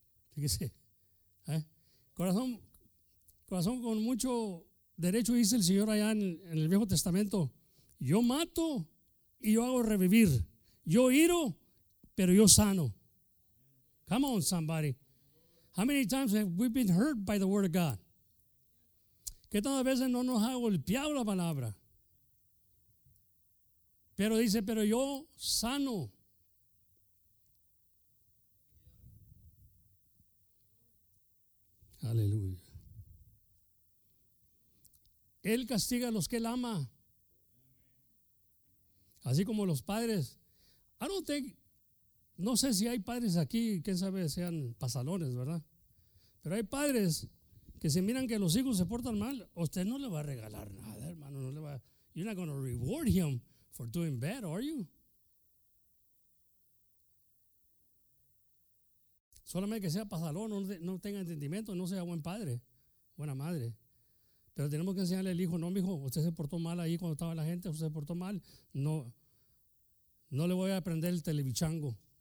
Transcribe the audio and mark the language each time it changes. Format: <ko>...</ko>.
<es>Fíjese, ¿eh? Corazón con mucho derecho dice el Señor allá en el Viejo Testamento, yo mato y yo hago revivir, yo hiro, pero yo sano.</es> <en>Come on, somebody. How many times have we been hurt by the word of God?</en> <es>Que tantas veces no nos ha golpeado la palabra. Pero dice, pero yo sano. Aleluya. Él castiga a los que él ama. Así como los padres.</es> <en>I don't think,</en> <es>no sé si hay padres aquí, quién sabe, sean pasalones, ¿verdad? Pero hay padres que si miran que los hijos se portan mal, usted no le va a regalar nada, hermano. No le va,</es> <en>you're not going to reward him for doing bad, are you?</en> <es>Solamente que sea pasalón, no tenga entendimiento, no sea buen padre, buena madre. Pero tenemos que enseñarle al hijo, no, mijo, usted se portó mal ahí cuando estaba la gente, usted se portó mal. No le voy a prender el televichango.</es>